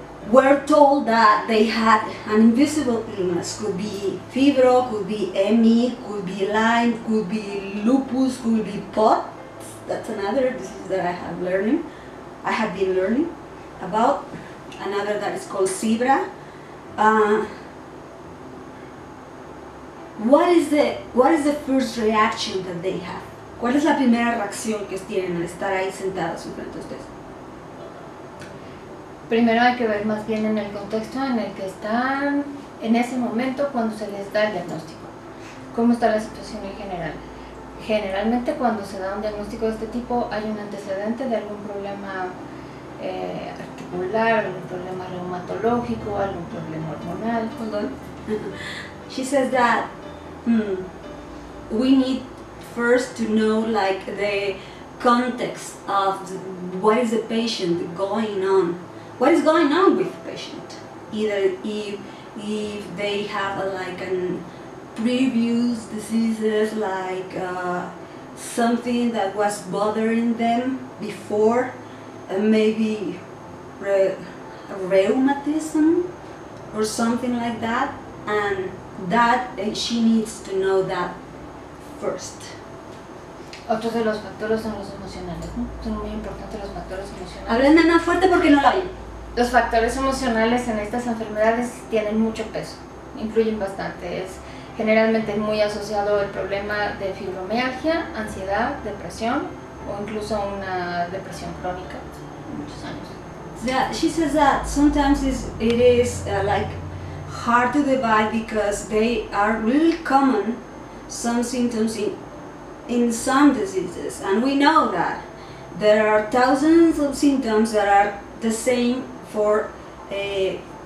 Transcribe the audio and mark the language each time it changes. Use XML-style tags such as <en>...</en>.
<en>were told that they had an invisible illness, could be fibro, could be ME, could be Lyme, could be lupus, could be POT, that's another disease that I have learning, I have been learning about, another that is called SIBRA. What is the first reaction that they have?</en> <es>¿Cuál es la primera reacción que tienen al estar ahí sentados frente a ustedes? Primero hay que ver más bien en el contexto en el que están en ese momento cuando se les da el diagnóstico. ¿Cómo está la situación en general? Generalmente cuando se da un diagnóstico de este tipo hay un antecedente de algún problema articular, algún problema reumatológico, algún problema hormonal.</es> <en>She says that we need first to know like the context of what is the patient going on, what is going on with the patient, either if they have a, like an previous diseases, like something that was bothering them before, and maybe rheumatism or something like that, and that she needs to know that first.</en> <es>Otros de los factores son los emocionales, ¿no? Son muy importantes los factores emocionales. Hablen de más fuerte porque no lo hay. Los factores emocionales en estas enfermedades tienen mucho peso, influyen bastante. Es generalmente muy asociado el problema de fibromialgia, ansiedad, depresión o incluso una depresión crónica, muchos años.</es> <en>Yeah, she says that sometimes it is like hard to divide because they are really common, some symptoms in some diseases, and we know that there are thousands of symptoms that are the same for a</en>